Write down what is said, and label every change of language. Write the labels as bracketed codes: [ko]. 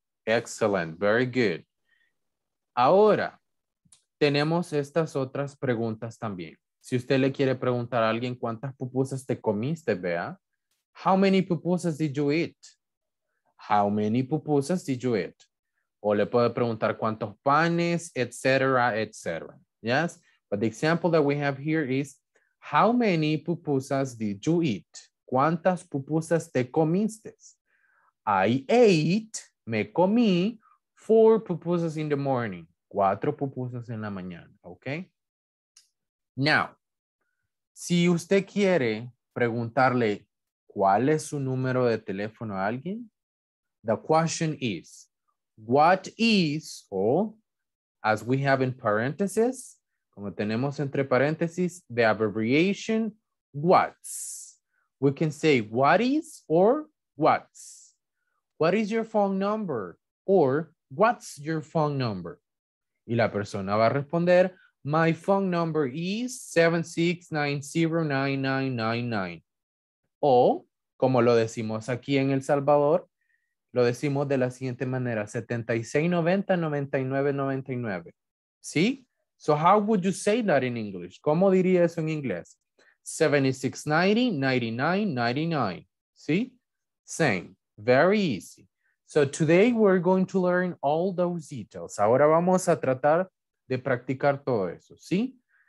[en] Excellent. Very good. [es] Ahora, tenemos estas otras preguntas también. Si usted le quiere preguntar a alguien cuántas pupusas te comiste, vea. [en] How many pupusas did you eat? How many pupusas did you eat? [es] O le puede preguntar cuántos panes, etc., etc. [en] Yes? But the example that we have here is, how many pupusas did you eat? [es] ¿Cuántas pupusas te comiste? [en] I ate, [es] me comí, 4 pupusas [en] in the morning. [es] 4 pupusas en la mañana, [en] okay? [es] Now, si usted quiere preguntarle cuál es su número de teléfono a alguien, [en] the question is, what is, [es] o [en] as we have in parentheses, [es] como tenemos entre paréntesis, [en] the abbreviation, what's. We can say what is or what's. What is your phone number or what's your phone number? [es] Y la persona va a responder, [en] my phone number is 7690999. [es] O, como lo decimos aquí en El Salvador, lo decimos de la siguiente manera, 7690999. ¿Sí? [en] So how would you say that in English? [es] ¿Cómo diría eso en inglés? 7690999. ¿Sí? [en] Same. Very easy. So today we're going to learn all those details. [es] Ahora vamos a tratar de practicar todo eso, ¿sí?